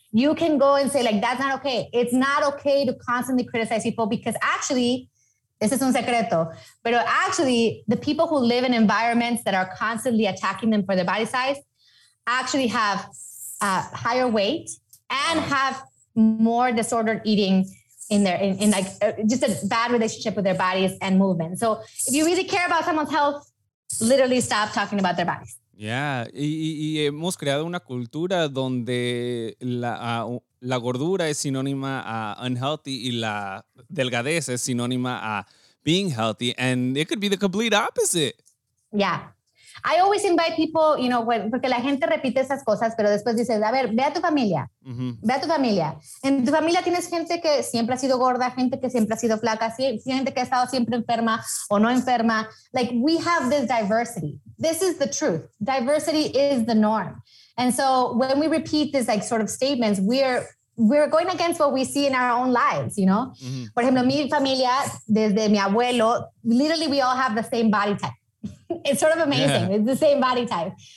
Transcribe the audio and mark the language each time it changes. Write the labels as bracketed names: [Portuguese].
[English] You can go and say like, that's not okay. It's not okay to constantly criticize people because actually, this is [Spanish] un secreto, [English] but actually the people who live in environments that are constantly attacking them for their body size actually have higher weight and have more disordered eating just a bad relationship with their bodies and movement. So if you really care about someone's health, literally stop talking about their bodies. Yeah. [Spanish] Y hemos creado una cultura donde la gordura es sinónima a [English] unhealthy [Spanish] y la delgadez es sinónima a [English] being healthy. And it could be the complete opposite. Yeah. I always invite people, you know, [Spanish] porque la gente repite esas cosas, pero después dices, a ver, ve a tu familia. Mm-hmm. Ve a tu familia. En tu familia tienes gente que siempre ha sido gorda, gente que siempre ha sido flaca, gente que ha estado siempre enferma o no enferma. [English] Like, we have this diversity. This is the truth. Diversity is the norm. And so when we repeat this like sort of statements, we're going against what we see in our own lives, you know? Mm-hmm. [Spanish] Por ejemplo, mi familia, desde mi abuelo, [English] literally we all have the same body type. It's sort of amazing. Yeah. It's the same body type.